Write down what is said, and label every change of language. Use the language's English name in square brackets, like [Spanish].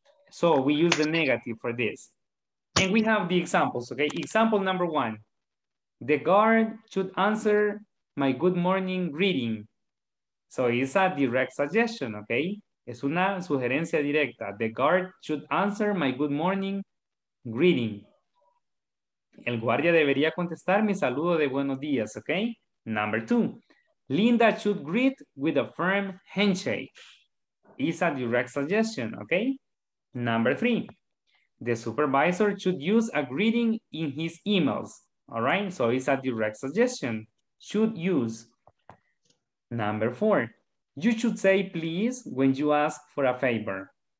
[English] So we use the negative for this. And we have the examples, okay? Example number one, the guard should answer my good morning greeting. So it's a direct suggestion, okay? [Spanish] Es una sugerencia directa. [English] The guard should answer my good morning greeting. [Spanish] El guardia debería contestar mi saludo de buenos días, okay? [English] Number two, Linda should greet with a firm handshake. It's a direct suggestion, okay? Number three, the supervisor should use a greeting in his emails, all right? So it's a direct suggestion, should use. Number four, you should say please when you ask for a favor.